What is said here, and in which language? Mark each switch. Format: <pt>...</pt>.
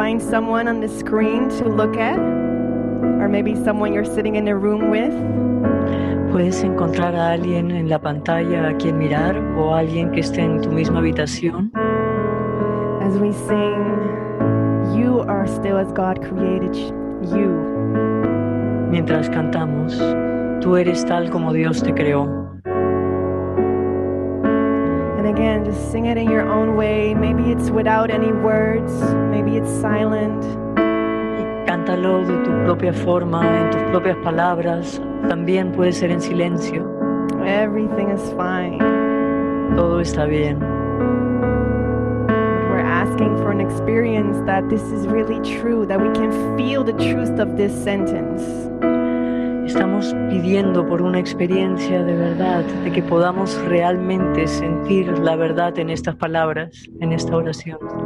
<en>Someone on the screen to look at, or maybe someone you're sitting in a room with.</en> <es>Puedes encontrar a alguien en la pantalla a quien mirar, o alguien que esté en tu misma habitación.</es> <en>As we sing, you are still as God created you.</en> <es>Mientras cantamos, tú eres tal como Dios te creó.</es> <en>And again, just sing it in your own way. Maybe it's without any words. Maybe it's silent.</en> <es>Y cántalo de tu propia forma, en tus propias palabras. También puede ser en silencio.</es> <en>Everything is fine.</en> <es>Todo está bien.</es> <en>We're asking for an experience that this is really true, that we can feel the truth of this sentence.</en> <es>Estamos pidiendo por una experiencia de verdad, de que podamos realmente sentir la verdad en estas palabras, en esta oración.</es>